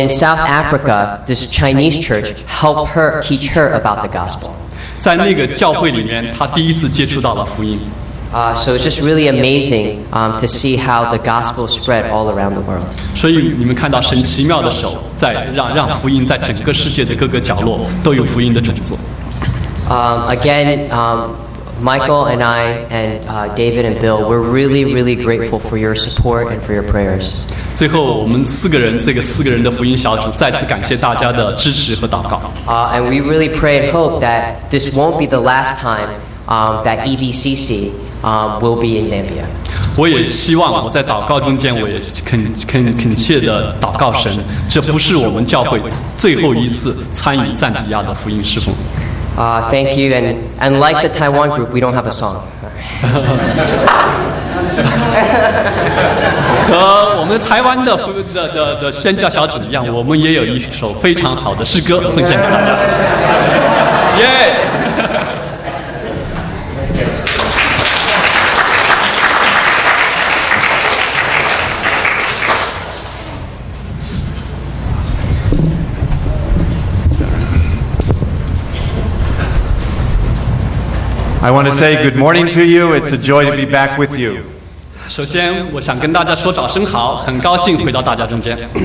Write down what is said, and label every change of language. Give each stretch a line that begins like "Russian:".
English: in South Africa, this Chinese church helped her teach her about the gospel.
Chinese: 在那个教会里面，她第一次接触到了福音。
English: So it's just really amazing to see how the gospel spread all around the world.
Chinese: 所以你们看到神奇妙的手，在让福音在整个世界的各个角落都有福音的种子。
English: Again, Michael and I and David and Bill, we're really, really grateful for your support and for your prayers.
Chinese: 最后我们四个人这个四个人的福音小组再次感谢大家的支持和祷告。
English: And we really pray and hope that this won't be the last time that EBCC will be in Zambia.
Chinese: 我也希望我在祷告中间我也恳切地祷告神, 这不是我们教会最后一次参与赞比亚的福音侍奉。
English: Thank you, and like the Taiwan group, we don't have a song.
Chinese: 和我们台湾的宣教小组一样，我们也有一首非常好的诗歌奉献给大家。
English: Yeah. I want to say good morning to you. It's a joy to be back with you.
Chinese: 首先我想跟大家说早上好，很高兴回到大家中间。